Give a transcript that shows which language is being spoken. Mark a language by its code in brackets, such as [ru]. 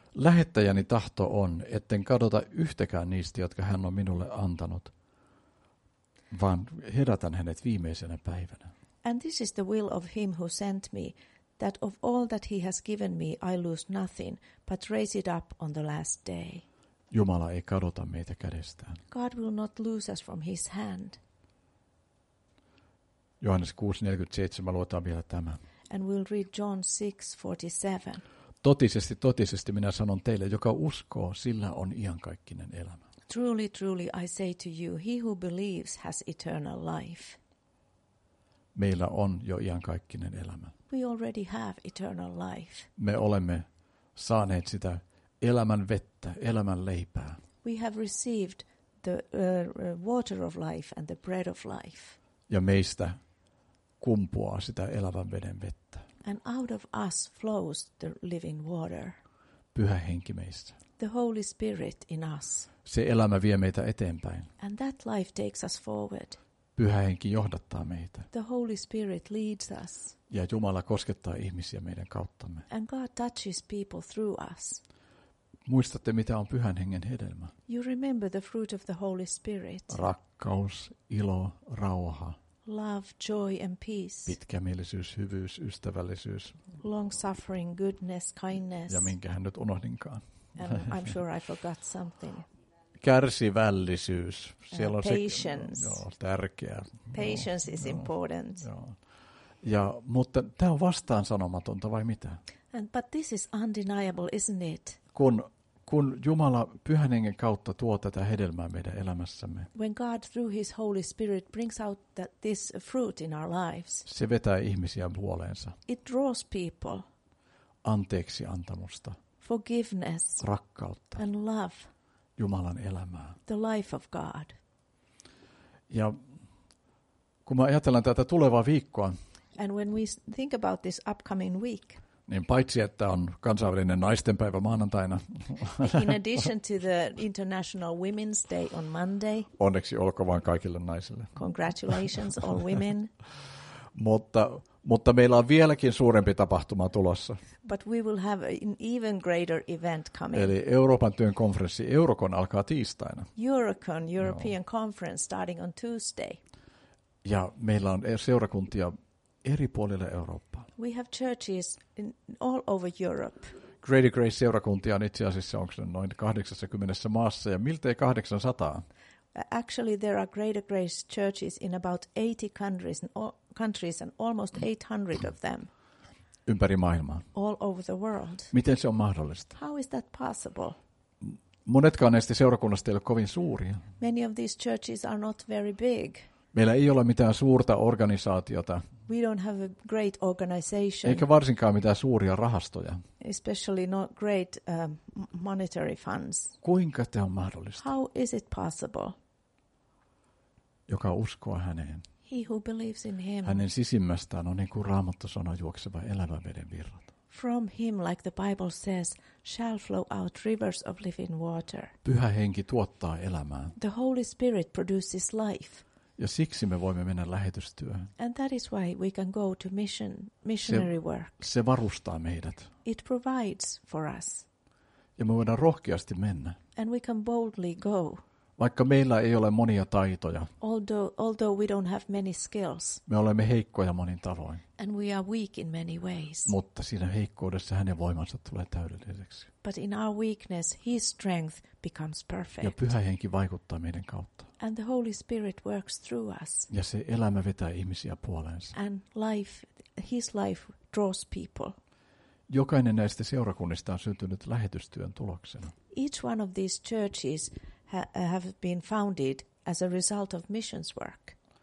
[fi] Lähettäjäni tahto on, etten kadota yhtäkään niistä, jotka hän on minulle antanut, vaan herätän hänet viimeisenä päivänä. [en] And this is the will of him who sent me, that of all that he has given me I lose nothing, but raise it up on the last day. [fi] Jumala ei kadota meitä kädestään. [en] God will not lose us from his hand. [fi] Johannes 6:47, luetaan vielä tämä. [en] And we'll read John 6:47. [fi] Totisesti, totisesti minä sanon teille, joka uskoo, sillä on iankaikkinen elämä. [en] Truly, truly, I say to you, he who believes has eternal life. [fi] Meillä on jo iankaikkinen elämä. [en] We already have eternal life. [fi] Me olemme saaneet sitä elämän vettä, elämän leipää. [en] We have received the water of life and the bread of life. [fi] Ja meistä kumpuaa sitä elävän veden vettä. [en] And out of us flows the living water. [fi] Pyhä Henki meissä. [en] The Holy Spirit in us. [fi] Se elämä vie meitä eteenpäin. [en] And that life takes us forward. [fi] Pyhä Henki johdattaa meitä. [en] The Holy Spirit leads us. [fi] Ja Jumala koskettaa ihmisiä meidän kauttamme. [en] And God touches people through us. [fi] Muistatte, mitä on Pyhän Hengen hedelmä. [en] You remember the fruit of the Holy Spirit. [fi] Rakkaus, ilo, rauha. [en] Love, joy and peace. [fi] Pitkämielisyys, hyvyys, ystävällisyys. [en] Long suffering, goodness, kindness. [fi] Ja minkähän nyt unohdinkaan. [en] And I'm sure I forgot something. [fi] Kärsivällisyys. Siellä on [en] patience. [fi] Se, joo, tärkeä. [en] Patience is important. [fi] Joo. Ja, mutta tämä on vastaan sanomatonta vai mitä? [en] But this is undeniable, isn't it? [fi] Kun Jumala Pyhän Hengen kautta tuo tätä hedelmää meidän elämässämme. [en] When God through his Holy Spirit brings out this fruit in our lives. [fi] Se vetää ihmisiä puoleensa. [en] It draws people. [fi] Anteeksi antamusta. [en] Forgiveness. [fi] Rakkautta. [en] And love. [fi] Jumalan elämää. [en] The life of God. [fi] Ja Kun mä ajatellaan tätä tulevaa viikkoa. [en] And when we think about this upcoming week. [fi] Niin paitsi että on kansainvälinen naistenpäivä maanantaina. [en] In addition to the International Women's Day on Monday. [fi] Onneksi olkoon vaan kaikille naisille. [en] Congratulations all women. [fi] Mutta meillä on vieläkin suurempi tapahtuma tulossa. [en] But we will have an even greater event coming. [fi] Eli Euroopan työn konferenssi Eurocon alkaa tiistaina. [en] Eurocon, European Joo. Conference starting on Tuesday. [fi] Ja meillä on seurakuntia eri puolille Eurooppaa. [en] We have churches in all over Europe. [fi] Greater Grace -seurakuntia on itse asiassa onko noin 80 maassa ja miltei 800. [en] Actually there are Greater Grace churches in about 80 countries and countries and almost 800 of them. [fi] Ympäri maailmaa. [en] All over the world. [fi] Miten se on mahdollista? [en] How is that possible? [fi] Monetkaan näistä seurakunnista ei ole kovin suuria. [en] Many of these churches are not very big. [fi] Meillä ei ole mitään suurta organisaatiota. [en] We don't have a great organization. [fi] Eikä varsinkaan mitään suuria rahastoja. [en] Especially not great monetary funds. [fi] Kuinka tämä on mahdollista? [en] How is it possible? [fi] Joka uskoo häneen. [en] He who believes in him. [fi] Hänen sisimmästään on niin kuin Raamattu sanoo juokseva elävän veden virrat. [en] From him, like the Bible says, shall flow out rivers of living water. [fi] Pyhä henki tuottaa elämää. [en] The Holy Spirit produces life. [fi] Ja siksi me voimme mennä lähetystyöhön. [en] And that is why we can go to missionary work. [fi] Se varustaa meidät. [en] It provides for us. [fi] Ja me voidaan rohkeasti mennä. [en] And we can boldly go. [fi] Vaikka meillä ei ole monia taitoja. [en] Although we don't have many skills. [fi] Me olemme heikkoja monin tavoin. [en] And we are weak in many ways. [fi] Mutta siinä heikkoudessa hänen voimansa tulee täydelliseksi. [en] But in our weakness his strength becomes perfect. [fi] Ja Pyhä Henki vaikuttaa meidän kautta. [en] And the Holy Spirit works through us. [fi] Ja se elämä vetää ihmisiä puoleensa. [en] And his life draws people. [fi] Jokainen näistä seurakunnista on syntynyt lähetystyön tuloksena. [en] Each one of these churches have been founded as a result of missions work.